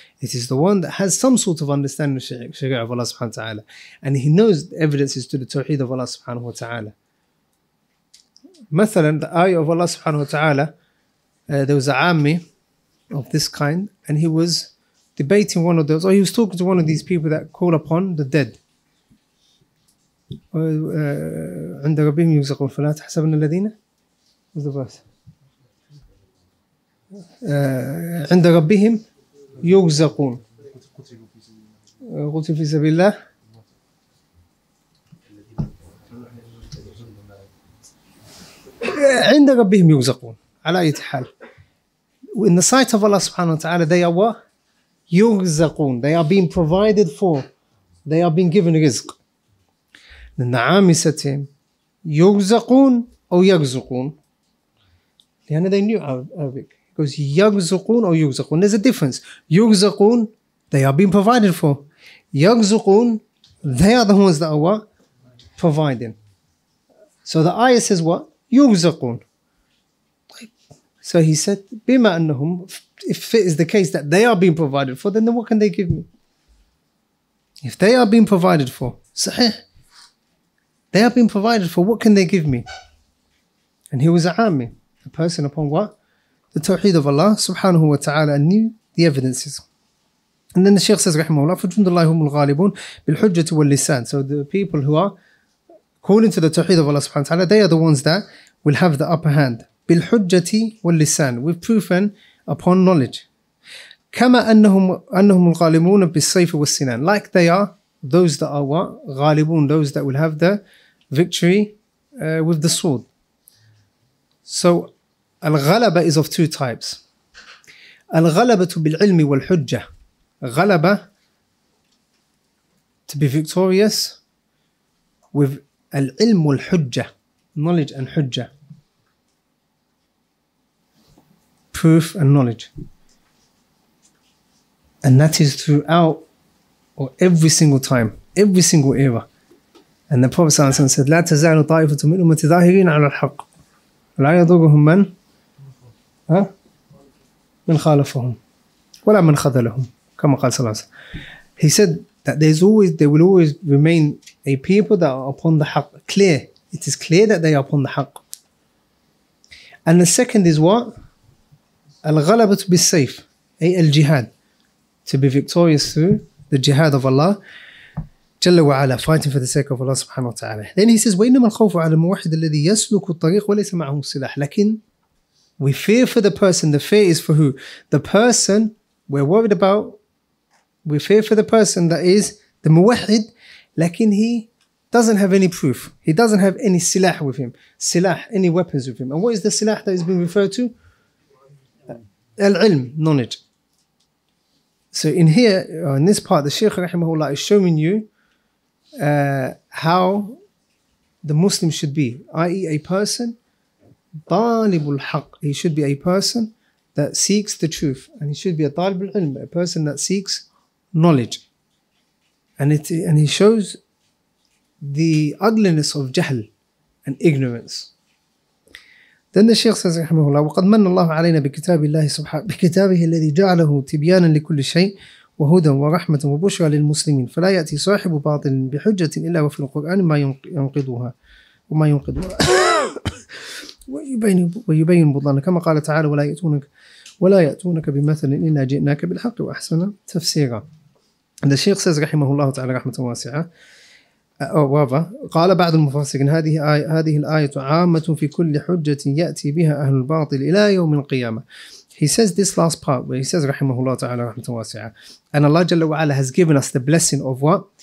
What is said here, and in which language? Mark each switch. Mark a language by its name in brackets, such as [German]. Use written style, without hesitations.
[English] It is the one that has some sort of understanding of Sharia of Allah subhanahu wa ta'ala, and he knows the evidences to the tawheed of Allah subhanahu wa ta'ala. Mathalan, the ayah of Allah subhanahu wa ta'ala, there was an army of this kind, and he was debating one of those, or he was talking to one of these people that call upon the dead. [Arabic] عند ربهم يرزقون فلا تحسبن الذين. [English] What's the verse? [Arabic] عند ربهم يرزقون قتل في سبيل الله. عند ربهم يرزقون على أي حال. [English] In the sight of Allah subhanahu wa ta'ala, they are what? [Arabic] يرزقون. [English] They are being provided for. They are being given rizq. Then the army said to him, [Arabic] يرزقون أو يرزقون. لأن [English] they knew Arabic. He goes, [Arabic] يرزقون أو يرزقون. [English] There's a difference. [Arabic] يرزقون, [English] they are being provided for. يرزقون, they are the ones that are what? Providing. So the ayah says what? [Arabic] يرزقون. [English] So he said, [Arabic] بِمَا أَنَّهُمْ, [English] if it is the case that they are being provided for, then what can they give me? If they are being provided for, [Arabic] صحيح, [English] they are being provided for, what can they give me? And he was a army, a person upon what? The tawheed of Allah subhanahu wa ta'ala, and knew the evidences. And then the Shaykh says, [Arabic] رَحْمَهُ فَجُنْدُ اللَّهِ الْغَالِبُونَ بِالْحُجَّةِ وَاللِّسَانِ. [English] So the people who are calling to the tawheed of Allah subhanahu wa ta'ala, they are the ones that will have the upper hand. [Arabic] بِالْحُجَّةِ وَاللِّسَانِ, [English] with proof and upon knowledge. [Arabic] كَمَا أَنَّهُمُ الْغَالِبُونَ بِالصَّيْفِ وَالسِّنَانِ. [English] Like they are those that are what? غَالِبُونَ, those that will have the victory with the sword. So, [Arabic] الْغَلَبَة [English] is of two types. [Arabic] الْغَلَبَةُ بِالْعِلْمِ وَالْحُجَّةِ. [English] غَلَبَة, to be victorious with [Arabic] العلم والحجة, [English] knowledge and حجة, proof and knowledge. And that is throughout, or every single time, every single era. [Arabic] And the Prophet ﷺ said, لَا تَزَعْنُ طَائِفَةُ مِنْ أُمَّةِ ظَاهِرِينَ عَلَى الْحَقِّ لَا يَضُرُهُمْ مَنْ مَنْ خَالَفَهُمْ وَلَا مَنْ خَذَلَهُمْ كَمَا قَالَ صَلَى اللَّهُ عَلَيْهِ وَسَلَّمَ. [English] He said that there will always remain a people that are upon the haqq, clear. It is clear that they are upon the haqq. And the second is what? [Arabic] الغلبت بالسيف, أي الجهاد, [English] to be victorious through the jihad of Allah [Arabic] جل وعلا, [English] fighting for the sake of Allah subhanahu wa ta'ala. Then he says, [Arabic] وَإِنَّمَا الْخَوْفُ عَلَى الْمُوَحِدِ الَّذِي يَسْلُكُ الطَّرِيقُ وَلَيْسَ مَعْهُمْ سِلَاحٌ. لكن [English] we fear for the person, the fear is for who? The person we're worried about, we fear for the person that is the muwahid, [Arabic] lakin [English] he doesn't have any proof, he doesn't have any silah with him, silah, any weapons with him. And what is the silah that is being referred to? Al-ilm, knowledge. So in here, in this part, the Shaykh rahimahullah is showing you how the Muslim should be, i.e. a person, [Arabic] talibul haqq. [English] He should be a person that seeks the truth, and he should be a [Arabic] talib al-ilm, [English] a person that seeks knowledge. And he shows the ugliness of jahl and ignorance. Then the Shaykh says, rahimahullah, [Arabic] وَقَدْ مَنَّ اللَّهُ عَلَيْنَا بِكِتَابِ اللَّهِ سُبْحَانَهُ بِكِتَابِهِ الَّذِي جَعْلَهُ تِبْيَانًا لِكُلِّ شَيْءٍ وَهُدًى وَرَحْمَةً وَبُشْرَى لِلْمُسْلِمِينَ فَلَا يَأْتِي صَاحِبُ بَاطِلٍ بِحُجَّةٍ إِلَّا وَفِي الْقُرْآنِ مَا يُنْقِضُهَا وَمَا يُنْقِضُهَا وَيُبَيِّنُ بُطْلَانَ كَمَا قَالَ تَعَالَى وَلَا يَأْتُونَكَ بِمَثَلٍ إِلَّا جِئْنَاكَ بِالْحَقِّ وَأَحْسَنَ تَفْسِيرًا. [English] And the Shaykh says, [Arabic] rahimahullah ta'ala, rahmatan wasi'ah, أو رابعه قال بعض المفسرين هذه الآية عامة في كل حجة يأتي بها أهل الباطل إلى يوم القيامة. [English] He says this last part where he says [Arabic] رحمه الله تعالى رحمة واسعة. [English] And Allah [Arabic] جل وعلا [English] has given us the blessing of what?